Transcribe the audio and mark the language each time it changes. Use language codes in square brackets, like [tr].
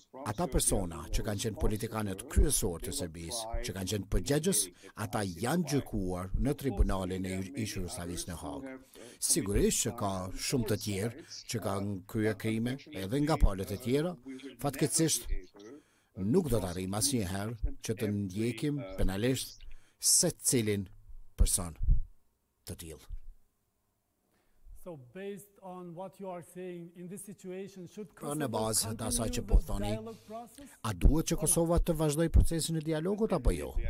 [sq] ata persona që kanë qenë politikanët kryesor të Serbisë, që kanë qenë përgjegjës, ata janë gjykuar në tribunalin e ish Jugoslavisë në Hagë. Sigurisht që ka shumë të tjerë që kanë kryer krime edhe nga palët e tjera, fatkeqësisht nuk do të arrijmë asnjëherë që të ndjekim penalisht se cilin person të tillë. [en] So based on what you are saying in this situation should [sq] Kosovo në bazë të asaj që po thoni, a duhet që Kosova të vazhdoj procesin e dialogut apo jo?